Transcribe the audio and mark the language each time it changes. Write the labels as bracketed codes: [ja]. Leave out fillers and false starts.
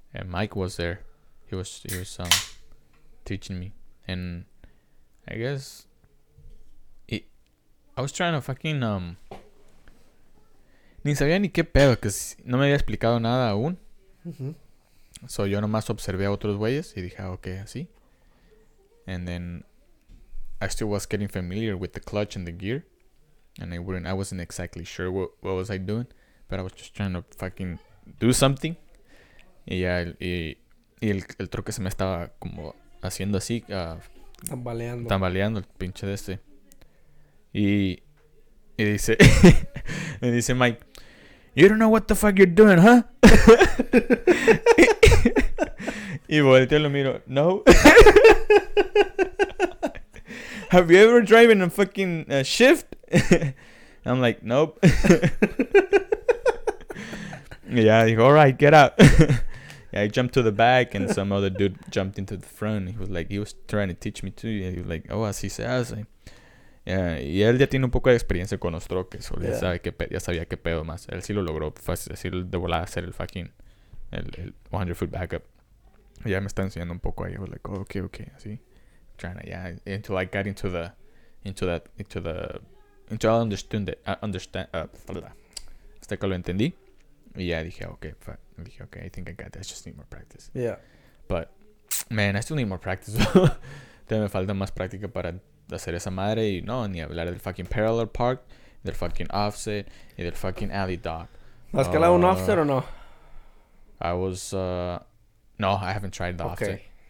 [en] And Mike was there. He was teaching me. And I guess... I was trying to fucking... [es] Ni sabía ni qué pedo, que no me había explicado nada aún. So, yo nomás observé a otros güeyes y dije, ok, así. [en] And then I still was getting familiar with the clutch and the gear. And I wasn't exactly sure what was I doing. But I was just trying to fucking do something. [es] Y ya, el troque se me estaba como haciendo así. Tambaleando. Tambaleando el pinche de este. Y dice, me dice Mike, [en] you don't know what the fuck you're doing, huh? [es] Y volteo y lo miro, no. [en] Have you ever driven a fucking shift? I'm like, nope. Yeah, he's like, all right, get out. Yeah, I jumped to the back and some other dude jumped into the front. He was like, he was trying to teach me too. And he was like, [es] oh, así se hace. Yeah, y él ya tiene un poco de experiencia con los troques. O yeah. Ya sabía qué pedo más. Él sí lo logró fácil, así de volada hacer el fucking el 100 foot backup. Y ya me está enseñando un poco ahí. [en] I was like, oh, okay, [es] así. [en] Trying to, yeah, until I got into the, into that, into the, until I understood it, [es] hasta que lo entendí. Y ya dije, [en] okay, I think I got this, just need more practice. Yeah. But, man, I still need more practice. [es] Te me falta más práctica para hacer esa madre y no, ni hablar del fucking parallel park, del fucking offset, y del fucking alley dock. ¿Has calado un offset o no? [en] I was, no, I haven't tried the offset.